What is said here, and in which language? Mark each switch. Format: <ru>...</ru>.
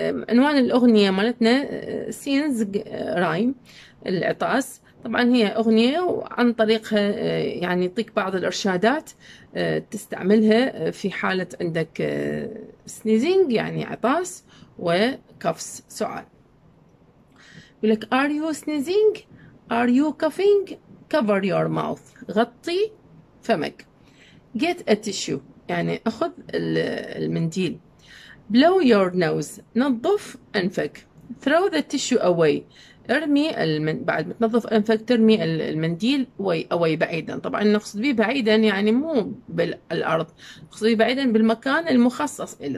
<ar>عنوان الأغنية مالتنا سينز رايم العطاس. طبعا هي أغنية وعن طريقها يعني يعطيك بعض الإرشادات تستعملها في حالة عندك سنيزينج يعني عطاس وكفس سعال. يقول لك</ar> <en>are you sneezing? are you coughing? cover your mouth</en> <ar>غطي فمك.</ar> <en>get a tissue</en> <ar>يعني أخذ المنديل.</ar> <en>Blow your nose</en> <ar>نظف أنفك.</ar> <en>Throw the tissue away</en> <ar>ارمي بعد ما تنظف أنفك ترمي المنديل away بعيدا. طبعا نقصد به بعيدا يعني مو بالأرض، نقصد به بعيدا بالمكان المخصص إلي.</ar>